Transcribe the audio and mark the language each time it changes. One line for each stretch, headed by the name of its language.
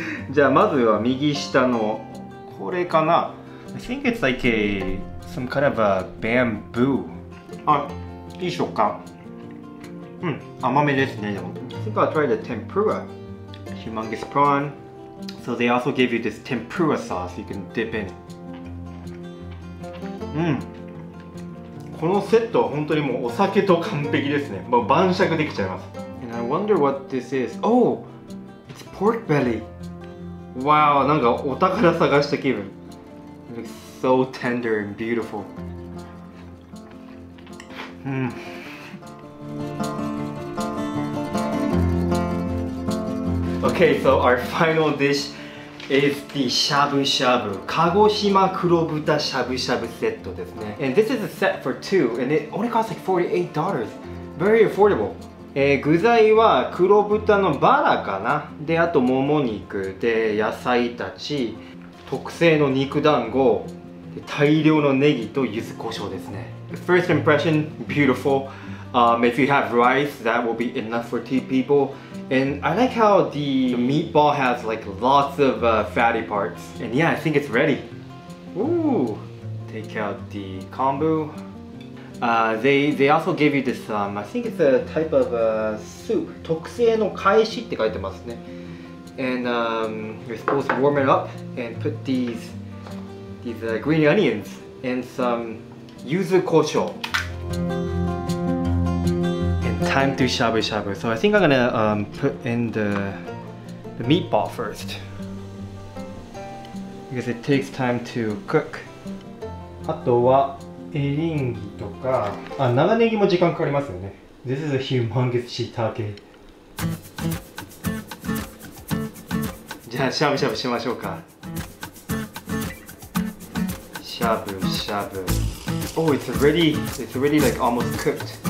Japanese: じゃあまずは右下のこれかな。
English: I think it's like a some kind of a bamboo.
Japanese: あ、いい食感。うん、甘めですね。でも、
English: I think I'll try the tempura. Humongous prawn. So they also give you this tempura sauce you can dip in. うん。
Japanese: このセットは本当にもうお酒と完璧ですね。もう晩酌できちゃいます。
English: And I wonder what this is. Oh! It's pork belly! Wow!
Japanese: なんかお宝探した気分。
English: It looks so tender and beautiful. Okay, so our final dish is the shabu shabu, Kagoshima Kurobuta shabu shabu set. And this is a set for two, and it only costs like $48. Very affordable.
Japanese: 具材は黒豚のバラかな。で、あともも肉で野菜たち、特製の肉団子、大量のネギと柚子胡椒ですね。
English: First impression, beautiful. If you have rice, that will be enough for two people. And I like how the meatball has like lots of fatty parts. And yeah, I think it's ready. Ooh, take out the kombu. They also gave you this, I think it's a type of soup.
Japanese: 特製の返しって書いてますね。
English: And you're supposed to warm it up and put these green onions and some yuzu kocho. And time to shabu shabu. So I think I'm gonna put in the meatball first, because it takes time to cook.
Japanese: あとは エリンギとか あ、 長ネギも時間かかりますよね。
English: This is a humongous shiitake.
Japanese: じゃあしゃぶしゃぶしましょうか。
English: Shabu shabu. Oh, it's already like almost cooked.